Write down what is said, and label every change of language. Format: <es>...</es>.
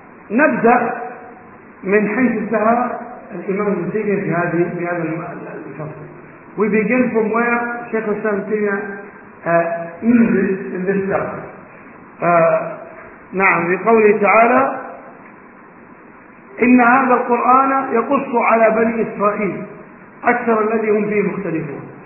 <ar>نبدأ من حين انتهى الإمام ابن تيمية في هذه في هذا الفصل.</ar> <en>We begin from where Sheikh Ibn Taymiyyah ended in this chapter.</en> <ar>نعم بقوله تعالى إن هذا القرآن يقص على بني إسرائيل أكثر الذي هم فيه مختلفون.</ar>